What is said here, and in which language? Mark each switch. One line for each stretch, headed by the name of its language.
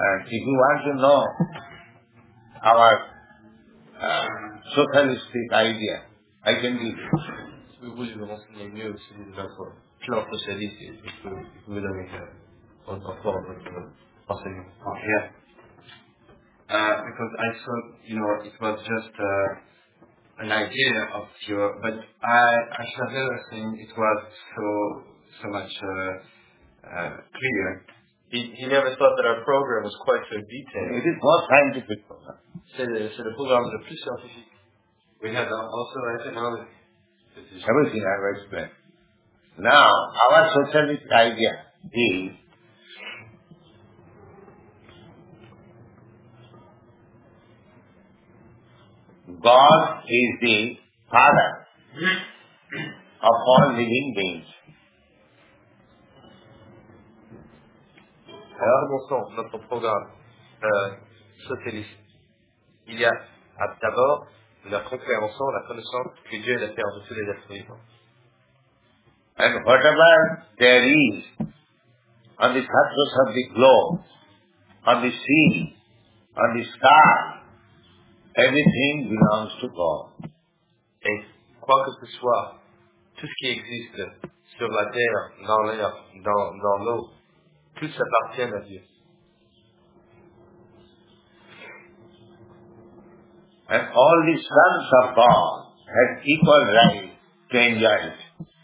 English: If you want to know our socialistic idea, I can give you.
French: Si vous voulez vous renseigner mieux au sujet de notre plan socialiste, je peux vous donner un rapport avec votre enseignement.
English: Yeah. Because I thought, you know, it was just an idea of your, but I should have never seen it was so much clear. He never thought that our program was quite so detailed. It is more scientific program.
French: c'est le programme le plus scientifique.
English: We have also an economic. Everything I've explained. Now, our socialist idea is God is the father of all living beings.
French: Alors, bon sens, notre programme socialiste, il y a d'abord la compréhension, la connaissance que Dieu est le père de tous les êtres vivants.
English: And whatever there is on the surface of the globe, on the sea, on the sky, everything belongs to God.
French: Et quoi que ce soit, tout ce qui existe sur la terre, dans l'air, dans l'eau, tout appartient à Dieu.
English: And all the sons of God have equal right to enjoy it.